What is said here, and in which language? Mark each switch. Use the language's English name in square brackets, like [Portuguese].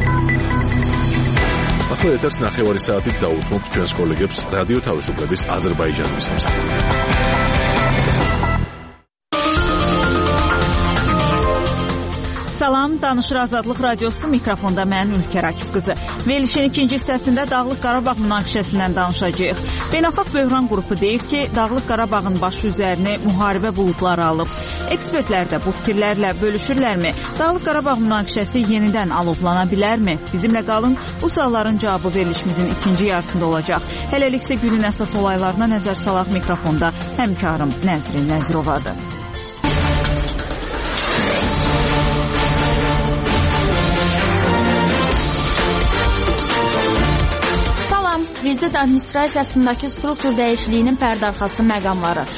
[Georgian] ეს ნახევარი საათი დაუთმოთ ჩვენს კოლეგებს რადიო თავისუფლების აზერბაიჯანის სამსახურში. [Azerbaijani] Salam, Danışır Azadlıq Radiosu mikrofonda mən Ülker Akifqızı. Verilişin ikinci hissəsində Dağlıq Qarabağ münaqişəsindən danışacağıq. Beynəlxalq böhran qrupu deyir ki, Dağlıq Qarabağın başı üzərini müharibə buludları alıb. Ekspertlər də bu fikirlərlə bölüşürlərmi? Dağlıq Qarabağ münaqişəsi yenidən alovlana bilərmi? Bizimlə qalın, bu sualların cavabı verilişimizin ikinci yarısında olacaq. Hələlik isə günün əsas olaylarına nəzər salaq mikrofonda həmkarım Nəzrin Nəzirovadır. Prezident administrasiyasındakı struktur dəyişikliyinin pərdarxası məqamları.